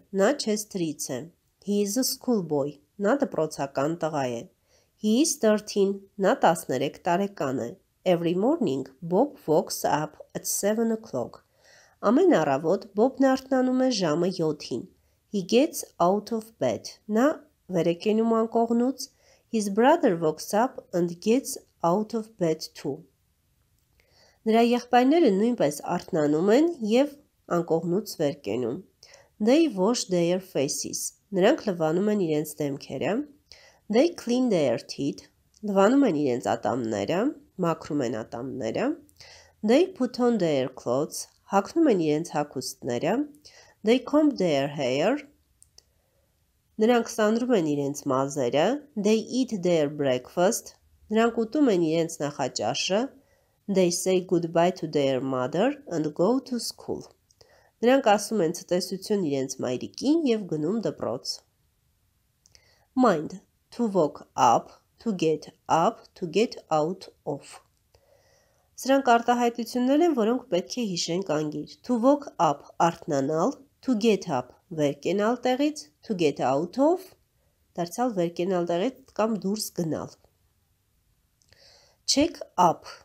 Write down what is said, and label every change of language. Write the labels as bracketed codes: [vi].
[hy] Նա Chester-ից է. [en] He is a school boy. [hy] Նա դպրոցական տղա է. [en] He is 13. [hy] Նա 13 տարեկան է. [en] Every morning Bob wakes up at 7 o'clock. [hy] Ամեն առավոտ Bob-ն արթնանում է ժամը 7-ին. [en] He gets out of bed. [hy] Նա վերեկենում անկողնուց. [en] His brother wakes up and gets out of bed too. [hy] Նրա եղբայրները նույնպես արթնանում են եւ անկողնուց վեր կենում. [en] They wash their faces. [hy] Նրանք լվանում են իրենց դեմքերը. [en] They clean their teeth. [hy] Լվանում են իրենց ատամները, մաքրում են ատամները. [en] They put on their clothes. [hy] Հագնում են իրենց հագուստները. [en] They comb their hair. [hy] Նրանք սանրում են իրենց մազերը. [en] They eat their breakfast. [hy] Նրանք ուտում են իրենց նախաճաշը. [en] They say goodbye to their mother and go to school. [hy] Նրանք ասում են ցտեսություն իրենց մայրիկին եւ գնում դպրոց. [en] Mind, to walk up, to get out of. [hy] Սրանք արտահայտություններ են, որոնք պետք է հիշենք անգիր. [en] To walk up, [hy] արթնանալ, [en] to get up, [hy] վեր կենալ տեղից, [en] to get out of, [hy] դարձյալ վեր կենալ տեղից կամ դուրս գնալ. [en] Check up,